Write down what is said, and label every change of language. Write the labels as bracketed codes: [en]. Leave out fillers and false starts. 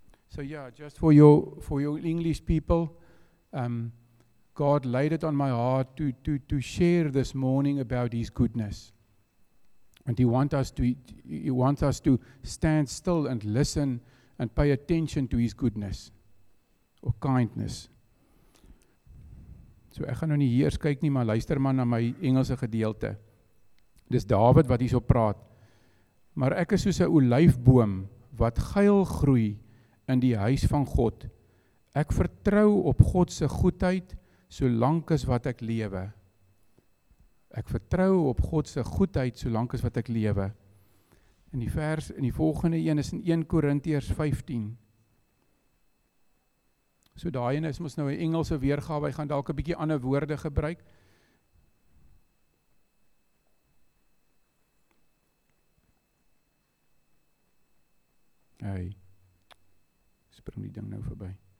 [en] So yeah, just for your English people, God laid it on my heart to share this morning about his goodness. And he wants us to stand still and listen and pay attention to his goodness. Of kindness. [af] So ek gaan nou nie hier kyk nie, maar luister maar na my Engelse gedeelte. Dis Dawid wat hierso praat. Maar ek is soos 'n olyfboom wat geil groei in die huis van God. Ek vertrou op God se goedheid solank as wat ek lewe. Ek vertrou op God se goedheid solank as wat ek lewe. In die vers in die volgende een is in 1 Korintiërs 15. So daai een is mos nou 'n Engelse weergawe, hy gaan dalk 'n bietjie ander woorde gebruik. Hey. Spring die ding nou verby.